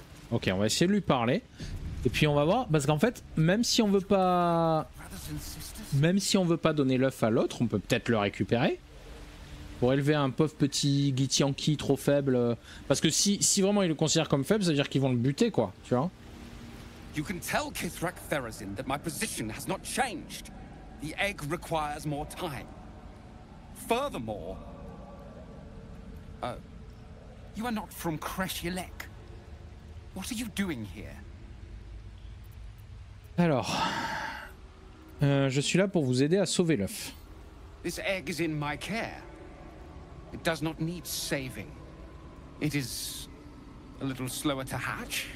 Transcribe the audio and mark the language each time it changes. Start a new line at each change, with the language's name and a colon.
French: Ok, on va essayer de lui parler. Et puis on va voir, parce qu'en fait, même si on veut pas... Même si on veut pas donner l'œuf à l'autre, on peut peut-être le récupérer. Pour élever un pauvre petit Gitianki trop faible. Parce que si vraiment ils le considèrent comme faible, ça veut dire qu'ils vont le buter, quoi, tu vois.
English: You can tell Kithrak Therizin that my position has not changed. The egg requires more time. Furthermore... Oh. You are not from Kreshilek. What are you doing here?
French: Alors, je suis là pour vous aider à sauver l'œuf.
English: This egg is in my care. It does not need saving. It is a little slower to hatch.